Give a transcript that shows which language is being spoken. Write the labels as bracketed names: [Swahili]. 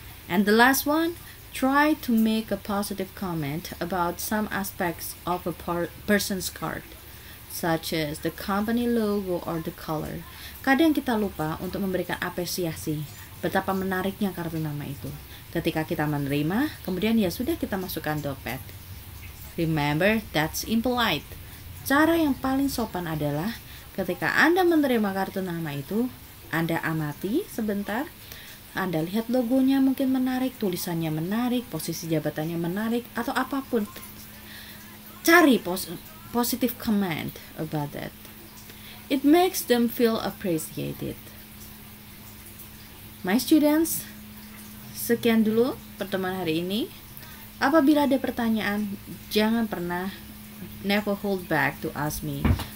[English] And the last one, try to make a positive comment about some aspects of a person's card, such as the company logo or the color. [Indonesian] Kadang kita lupa untuk memberikan apresiasi betapa menariknya kartu nama itu. Ketika kita menerima, kemudian ya sudah kita masukkan dompet. [English] Remember, that's impolite. [Indonesian] Cara yang paling sopan adalah ketika Anda menerima kartu nama itu, Anda amati sebentar, Anda lihat logonya mungkin menarik, tulisannya menarik, posisi jabatannya menarik, atau apapun. Cari [English] positive comment about that. It makes them feel appreciated. My students, [Indonesian] sekian dulu pertemuan hari ini. Apabila ada pertanyaan, jangan pernah, [English] never hold back to ask me.